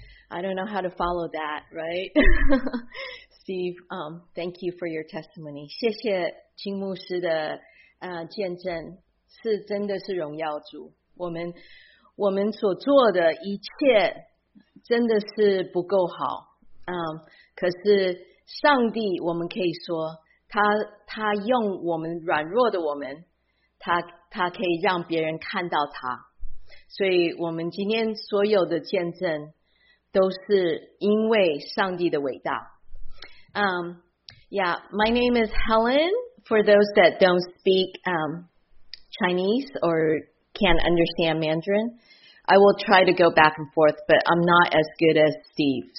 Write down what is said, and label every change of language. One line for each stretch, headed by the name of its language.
English: I don't know how to follow that, right? Steve, thank you for your testimony.
Chinese: 谢谢金牧师的见证，是真的是荣耀主。我们所做的一切真的是不够好，可是上帝，我们可以说他用我们软弱的我们，他可以让别人看到他。所以我们今天所有的见证都是因为上帝的伟大。
English: Yeah, my name is Helen. For those that don't speak Chinese or can't understand Mandarin, I will try to go back and forth, but I'm not as good as Steve.